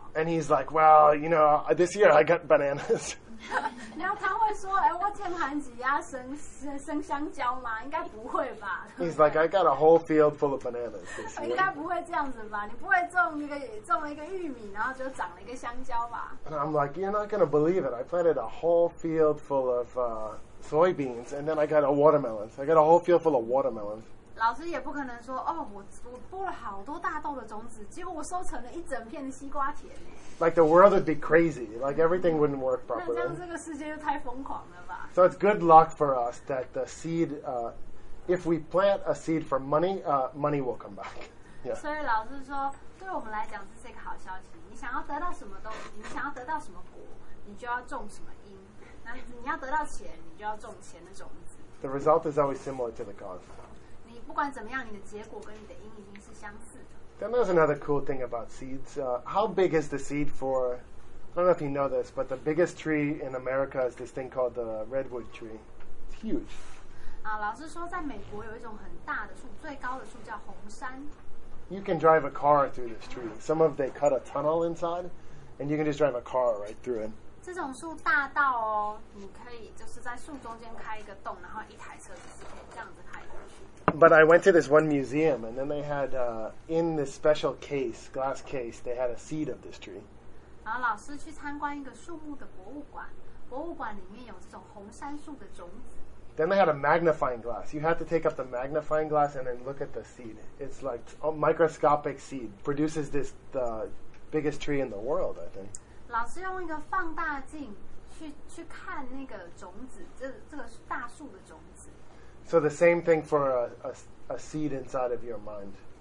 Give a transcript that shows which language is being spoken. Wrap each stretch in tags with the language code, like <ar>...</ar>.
<en>And he's like, well, you know, this year I got bananas.</en> <zh>然后他会说，哎，我健康级啊，生香蕉吗？应该不会吧。</zh> <en>He's like, I got a whole field full of bananas.</en> <zh>应该不会这样子吧？你不会种一个玉米，然后就长了一个香蕉吧？</zh> <en>And I'm like, you're not gonna believe it. I planted a whole field full of soybeans, and then I got a watermelon. I got a whole field full of watermelons.</en> <zh>老师也不可能说哦，我播了好多大豆的种子，结果我收成了一整片的西瓜田呢。</zh> <en>Like the world would be crazy, like everything wouldn't work properly.</en> <zh>那这样这个世界就太疯狂了吧。</zh> <en>So it's good luck for us that the seed, if we plant a seed for money, money will come back. Yeah.</en> <zh>所以老师说，对我们来讲这是一个好消息。你想要得到什么东西，你想要得到什么果，你就要种什么因。那你要得到钱，你就要种钱的种子。</zh> <en>The result is always similar to the cause.</en> <zh>不管怎么样，你的结果跟你的因已经是相似的。</zh> <en>Then there's another cool thing about seeds. How big is the seed for? I don't know if you know this, but the biggest tree in America is this thing called the redwood tree. It's huge.</en> <zh>啊，老师说在美国有一种很大的树，最高的树叫红杉。</zh> <en>You can drive a car through this tree. Some of they cut a tunnel inside, and you can just drive a car right through it.</en> <zh>这种树大到哦，你可以就是在树中间开一个洞，然后一台车子是可以这样子开过去。</zh> <en>But I went to this one museum, and then they had, in this special case, glass case, they had a seed of this tree.</en> <zh>然后老师去参观一个树木的博物馆，博物馆里面有这种红杉树的种子。</zh> <en>Then they had a magnifying glass. You had to take up the magnifying glass and then look at the seed. It's like a microscopic seed, produces this, the biggest tree in the world, I think.</en> <zh>老师用一个放大镜去看那个种子，这个大树的种子。</zh> <en>So the same thing for a seed inside of your mind.</en>